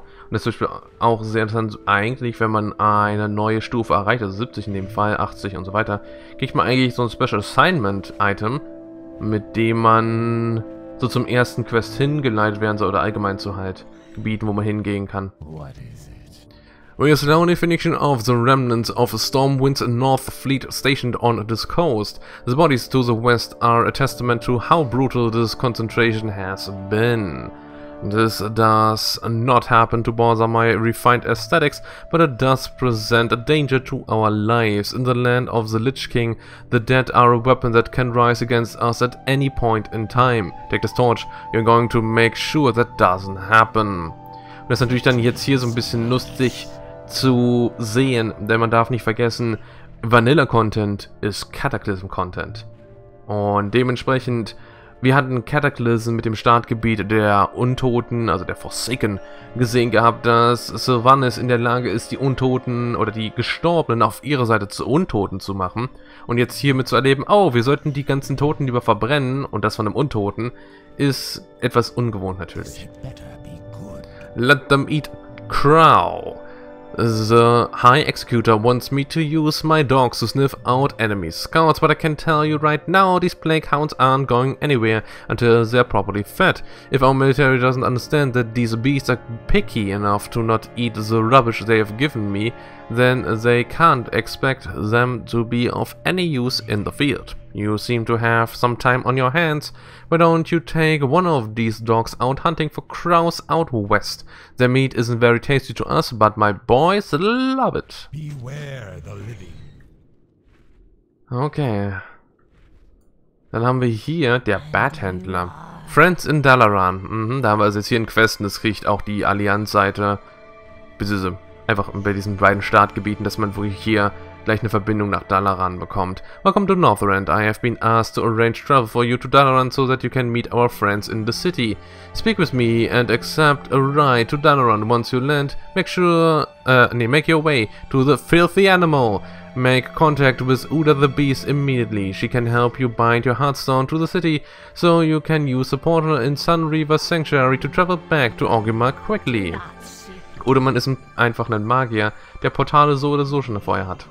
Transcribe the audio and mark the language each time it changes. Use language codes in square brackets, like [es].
[de] Und das ist zum Beispiel auch sehr interessant, eigentlich, wenn man eine neue Stufe erreicht, also 70 in dem Fall, 80 und so weiter, kriegt man eigentlich so ein Special Assignment Item, mit dem man so zum ersten Quest hingeleitet werden soll oder allgemein zu halt Gebieten, wo man hingehen kann. [en] What is it? We are slowly the finishing of the remnants of a Stormwind's North Fleet stationed on this coast. The bodies to the west are a testament to how brutal this concentration has been. This does not happen to bother my refined aesthetics, but it does present a danger to our lives. In the land of the Lich King, the dead are a weapon that can rise against us at any point in time. Take this torch, you're going to make sure that doesn't happen. [de] Das ist natürlich dann jetzt hier so ein bisschen lustig zu sehen, denn man darf nicht vergessen, Vanilla-Content ist Cataclysm-Content. Und dementsprechend, wir hatten Cataclysm mit dem Startgebiet der Untoten, also der Forsaken, gesehen gehabt, dass Sylvanas in der Lage ist, die Untoten oder die Gestorbenen auf ihre Seite zu Untoten zu machen. Und jetzt hiermit zu erleben, oh, wir sollten die ganzen Toten lieber verbrennen und das von einem Untoten, ist etwas ungewohnt natürlich. [en] Let them eat crow. The High Executor wants me to use my dogs to sniff out enemy scouts, but I can tell you right now, these plague hounds aren't going anywhere until they're properly fed. If our military doesn't understand that these beasts are picky enough to not eat the rubbish they have given me, then they can't expect them to be of any use in the field. You seem to have some time on your hands. Why don't you take one of these dogs out hunting for crows out west? Their meat isn't very tasty to us, but my boys love it. Beware the living. Okay. [de] Dann haben wir hier der Bathändler. Friends in Dalaran. Da haben wir also jetzt hier in Questen, das kriegt auch die Allianzseite. Bzw. einfach bei diesen beiden Startgebieten, dass man wirklich hier gleich eine Verbindung nach Dalaran bekommt. [en] Welcome to Northrend. I have been asked to arrange travel for you to Dalaran so that you can meet our friends in the city. Speak with me and accept a ride to Dalaran. Once you land, make sure, make your way to the Filthy Animal. Make contact with Uda the Beast immediately. She can help you bind your Hearthstone to the city, so you can use a portal in Sunreaver Sanctuary to travel back to Orgrimmar quickly. [de] Oder man ist einfach ein Magier, der Portale so oder so schon vorher hat.